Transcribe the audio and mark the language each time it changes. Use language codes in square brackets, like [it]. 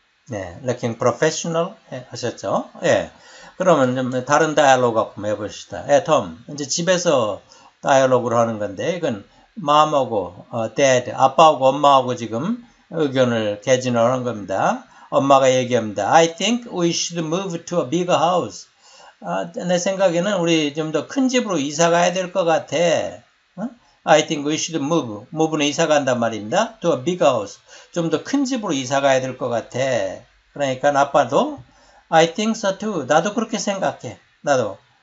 [ko] 네, [en] looking professional [ko] 하셨죠? 예. 네. 그러면 좀 다른 다이얼로그 한번 해봅시다. 예, 네, 톰. 이제 집에서 다이얼로그를 하는 건데, 이건 마음하고, 데드, 아빠하고 엄마하고 지금 의견을 개진을 한 겁니다. 엄마가 얘기합니다. [en] I think we should move to a bigger house. [ko] 아, 내 생각에는 우리 좀 더 큰 집으로 이사 가야 될 것 같아. [en] 어? I think we should move. [ko] move는 이사 간단 말입니다. [en] to a bigger house. [ko] 좀 더 큰 집으로 이사 가야 될 것 같아. 그러니까 아빠도 [en] I think so too. [ko] 나도 그렇게 생각해. 나도.